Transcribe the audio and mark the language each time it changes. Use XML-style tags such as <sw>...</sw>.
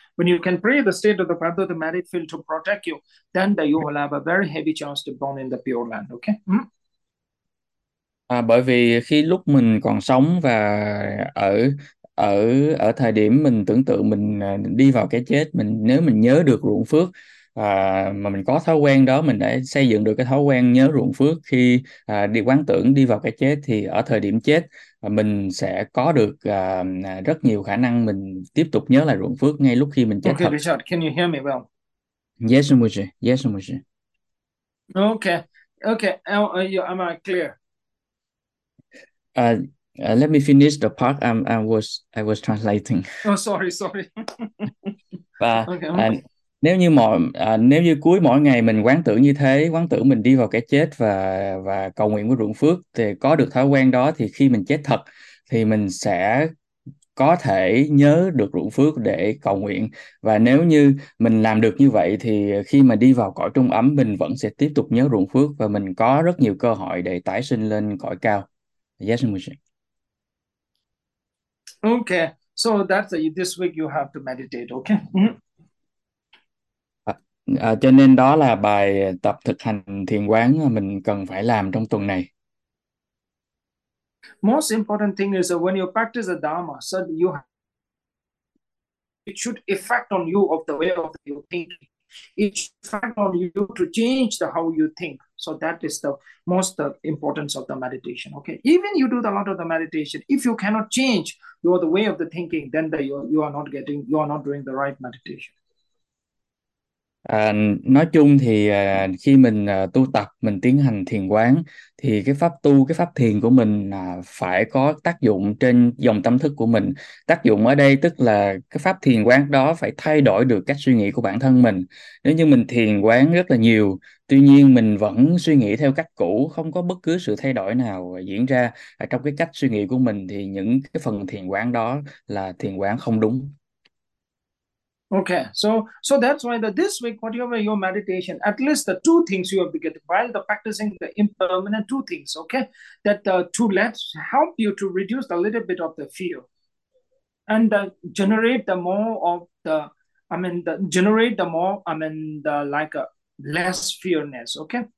<en>When you can pray the state of the Bhardo, the merit field to protect you, then you will have a very heavy chance to born in the pure land, okay?</en> <vi>À, bởi vì khi lúc mình còn sống và ở ở ở thời điểm mình tưởng tượng mình đi vào cái chết, nếu mình nhớ được ruộng phước và mà mình có thói quen đó, mình đã xây dựng được cái thói quen nhớ ruộng phước khi đi quán tưởng đi vào cái chết, thì ở thời điểm chết mình sẽ có được rất nhiều khả năng mình tiếp tục nhớ lại ruộng phước ngay lúc khi mình chết</vi> <en>Okay,</en> <vi>thật.</vi> <en>Richard, can you hear me well? Yes, Mujer. Okay. Am I clear? Let me finish the part I was translating. Oh, sorry.</en> <vi>Và</vi> <en>Okay.</en> <vi>nếu như nếu như cuối mỗi ngày mình quán tưởng như thế, quán tưởng mình đi vào cái chết và cầu nguyện với ruộng phước, thì có được thói quen đó, thì khi mình chết thật thì mình sẽ có thể nhớ được ruộng phước để cầu nguyện. Và nếu như mình làm được như vậy thì khi mà đi vào cõi trung ấm, mình vẫn sẽ tiếp tục nhớ ruộng phước và mình có rất nhiều cơ hội để tái sinh lên cõi cao.</vi> <en>Yes, Okay, so that's this week you have to meditate, okay?</en> <vi>cho nên đó là bài tập thực hành thiền quán mình cần phải làm trong tuần này.</vi> <en>Most important thing is when you practice the Dharma, so you have, it should affect on you of the way of your thinking. It should affect on you to change the how you think. So that is the most importance of the meditation. Okay. Even you do the lot of the meditation, if you cannot change your the way of the thinking, then the, you are not getting you are not doing the right meditation.</en> <vi>À, nói chung thì khi mình tu tập, mình tiến hành thiền quán, thì cái pháp thiền của mình phải có tác dụng trên dòng tâm thức của mình. Tác dụng ở đây tức là cái pháp thiền quán đó phải thay đổi được cách suy nghĩ của bản thân mình. Nếu như mình thiền quán rất là nhiều, tuy nhiên mình vẫn suy nghĩ theo cách cũ, không có bất cứ sự thay đổi nào diễn ra trong cái cách suy nghĩ của mình, thì những cái phần thiền quán đó là thiền quán không đúng.</vi> <en>Okay, so that's why that this week, whatever your meditation, at least the two things you have to get while the practicing the impermanent two things, okay, that the two lets help you to reduce a little bit of the fear and generate the more of the, I mean, the generate the more, I mean, the like a less fearness, okay?</en>